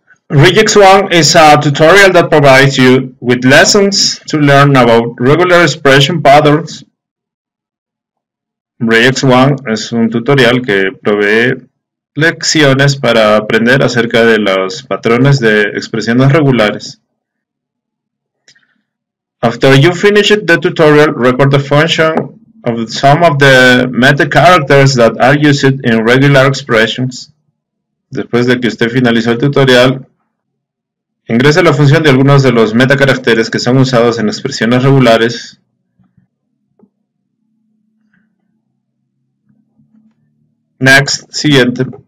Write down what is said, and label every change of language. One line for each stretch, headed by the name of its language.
English: Regex 1 is a tutorial that provides you with lessons to learn about regular expression patterns.
Spanish: Regex 1 es un tutorial que provee lecciones para aprender acerca de los patrones de expresiones regulares.
English: After you finish the tutorial, record the function of some of the meta characters that are used in regular expressions.
Spanish: Después de que usted finalizó el tutorial, ingrese la función de algunos de los meta caracteres que son usados en expresiones regulares.
English: Next, siguiente.